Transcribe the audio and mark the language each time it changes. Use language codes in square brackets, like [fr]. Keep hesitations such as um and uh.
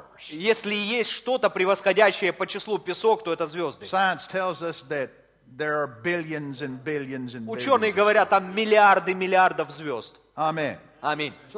[ru] Если есть что-то превосходящее по числу песок, то это звезды. [en] Science tells us that there are billions and billions and billions. [ru] Ученые говорят, там миллиарды миллиардов звезд. Аминь. Аминь.